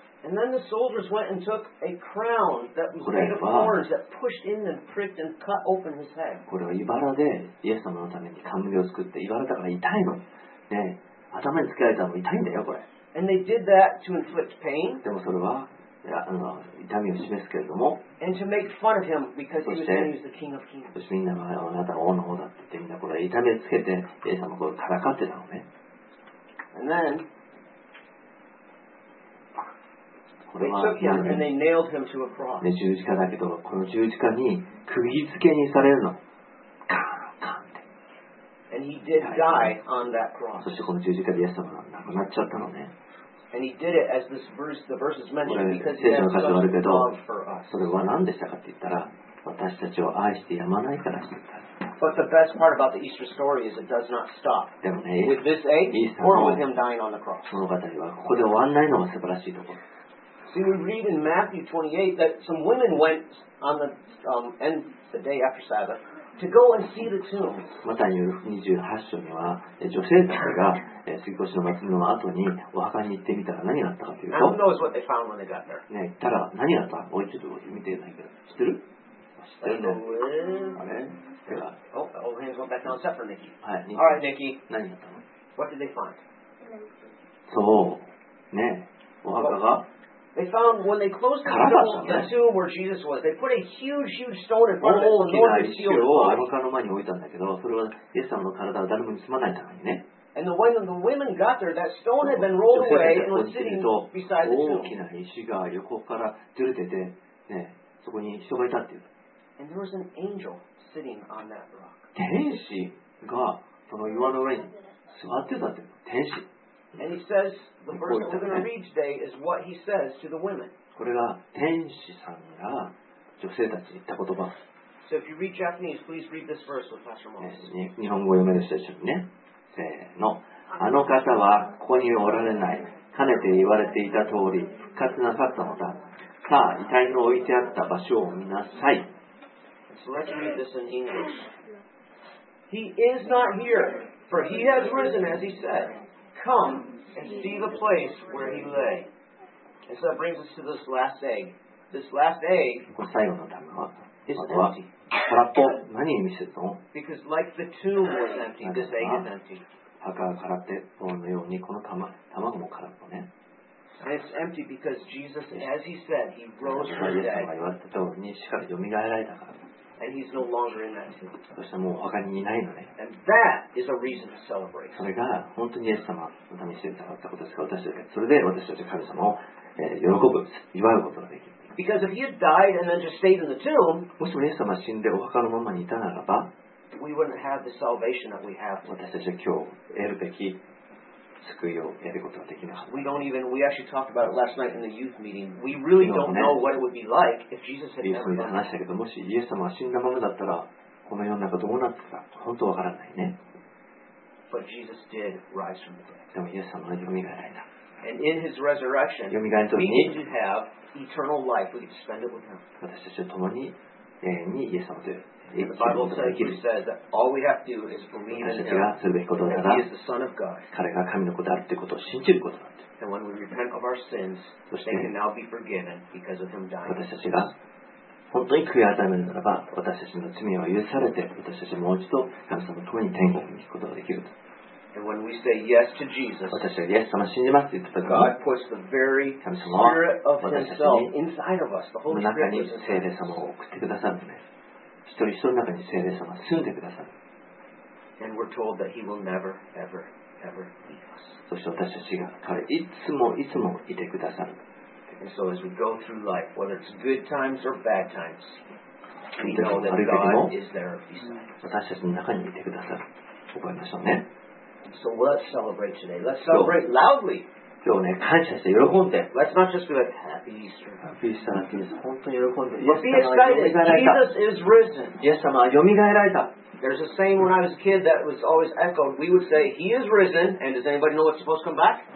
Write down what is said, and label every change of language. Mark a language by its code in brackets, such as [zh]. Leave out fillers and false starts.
[en] And then the soldiers went and took a crown that was made of thorns that pushed in and pricked and cut open his head. [ja] これは茨でイエス様のために冠を作って、茨だから痛いの。ね、頭につけられたのも痛いんだよ、これ。 [en] And they did that to inflict pain. [ja] でもそれは、痛みを示すけれども。 [en] And to make fun of him because he was the king of kings. [ja] そしてみんなが、あなたは王の方だって言って、みんなこれ痛みをつけて、イエス様をからかってたのね。 [en] And then, [ja] これは、 [en] they took him and they nailed him to a cross. [ja] ね、十字架だけど、この十字架に釘付けにされるの。カーンカーンって。 [en] And he did die on that cross. [ja] そしてこの十字架でイエス様が亡くなっちゃったのね。 [en] And he did it as this verse, the verse is mentioned because he has such love for us. [ja] それは何でしたかって言ったら、私たちを愛してやまないからしてた。 [en] But the best part about the Easter story is it does not stop. [ja] でもね、 [en] with this egg or with him dying on the cross. [ja] その語りはここで終わんないのが素晴らしいところ。 [en] See, we read in Matthew 28 that some women went on the, and the day after Sabbath to go and see the tomb. [ja] マタイ28章には女性たちが杉越の祭りの後にお墓に行ってみたら何があったかというと、 [en] Who knows what they found when they got there? [ja] ね、行ったら何があった？もう一度見てないけど、知ってる？知ってるの？あれ？ [en] Oh, hands went back down except for Nikki. [ja] はい、 [en] All right, Nikki. [ja] 何があったの？ [en] What did they find? [ja] そう、ね、お墓が。 [en] They found when they closed the tomb, the tomb where Jesus was, they put a huge, huge stone in front of the Lord's seal. [ja] 大きな石をアルカの前に置いたんだけど、それはイエス様の体を誰も盗まないためにね。 [en] And when the women got there, that stone had been rolled away and was sitting beside the tomb. [ja] 大きな石が横からずれてて、ね、そこに人がいたっていう。 [en] And there was an angel sitting on that rock. [ja] 天使がその岩の上に座ってたっていう。天使。 [en] And he says, the verse that we're going to read today is what he says to the women. [ja] これが天使さんが女性たちに言った言葉。 [en] So if you read Japanese, please read this verse with Pastor Moses. [ja] 日本語読める人たちにね。せーの。あの方はここにおられない。かねて言われていた通り、復活なさったのだ。さあ、遺体の置いてあった場所を見なさい。 [en] So let's read this in English. He is not here, for he has risen as he said. Come and see the place where he lay. And so that brings us to this last egg. This last egg is empty. Because like the tomb was empty, this egg is empty. And it's empty because Jesus, as he said, he rose from the dead. And he's no longer in that tomb. [ja] そしてもうお墓にいないのね。 [en] And that is a reason to celebrate. [ja] それが本当にイエス様のためにしてたかったことですか、私たちが。それで私たちは神様を、喜ぶ、祝うことができる。 [en] Because if he had died and then just stayed in the tomb, [ja] もしもイエス様死んでお墓のままにいたならば、 [en] we wouldn't have the salvation that we have. [ja] 私たちは今日得るべき救いを得ることができなかった。 [en] We don't even, we actually talked about it last night in the youth meeting. We really don't know what it would be like if Jesus had never died. [ja] 話したけど、もしイエス様が死んだままだったら、この世の中どうなってたか、本当わからないね。 [en] But Jesus did rise from the dead. [ja] でもイエス様は蘇られた。 [en] And in his resurrection, we need to have eternal life. We can spend it with him. [ja] 私たちは共に永遠にイエス様と。 [en] The Bible says that all we have to do is believe in him that he is the Son of God. [ja] 彼が神の子であるということを信じることだって。 [en] And when we repent of our sins, they can now be forgiven because of him dying. [ja] 私たちが本当に悔い改めるならば、私たちの罪は許されて、私たちはもう一度神様のところに天国に行くことができると。 [en] And when we say yes to Jesus, [ja] 私はイエス様を信じますと言ったときに、 [en] God puts the very Spirit of himself inside of us, the Holy Spirit. [ja] 中に聖霊様を送ってくださるんです。一人一人の中に聖霊様が住んでくださる。 [en] And we're told that he will never, ever, ever leave us. [ja] そして私たちが彼いつもいつもいてくださる。 [en] And so as we go through life, whether it's good times or bad times, we know that God is there beside us. [ja] 私たちの中にいてくださる。覚えましょうね。 [en] So let's celebrate today. Let's celebrate loudly. [ja] 今日ね、感謝して喜んで。 [en] Let's not just be like, Happy Easter. Happy Easter. [ja] 本当に喜んで。 [en] But be excited. Jesus is risen. [ja] イエス様はよみがえられた。 [en] There's a saying when I was a kid that was always echoed. We would say, He is risen. And does anybody know what's supposed to come back?